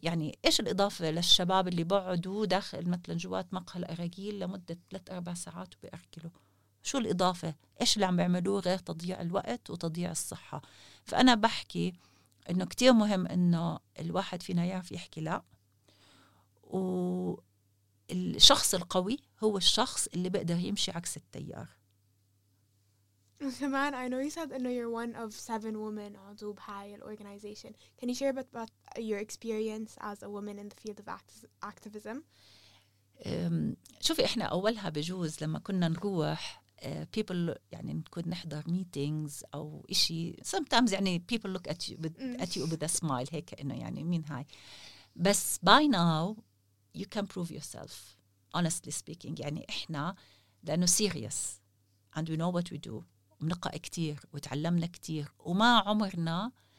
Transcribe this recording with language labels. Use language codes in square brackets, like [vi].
[ar] يعني إيش الإضافة للشباب اللي بعدوا داخل مثلا جوات مقهى الأراجيل لمدة 3-4 ساعات وبأركله شو الإضافة؟ إيش اللي عم بيعملوه غير تضييع الوقت وتضييع الصحة؟ فأنا بحكي إنه كتير مهم إنه الواحد فينا يعرف يحكي لا. والشخص القوي هو الشخص اللي بقدر يمشي عكس التيار. [en] كمان I know you said إنه you're one of 7 women عضو بهاي الorganization. Can you share a bit about your experience as a woman in the field of activism؟ [ar] شوفي إحنا أولها بجوز لما كنا نروح people يعني نكون نحضر meetings أو إشي sometimes يعني [en] people look at you with a smile [ar] هيك إنه يعني مين هاي بس [en] by now you can prove yourself honestly speaking [ar] يعني إحنا لأنه [en] serious and we know what we do [ar] منقأ كتير وتعلمنا كتير وما عمرنا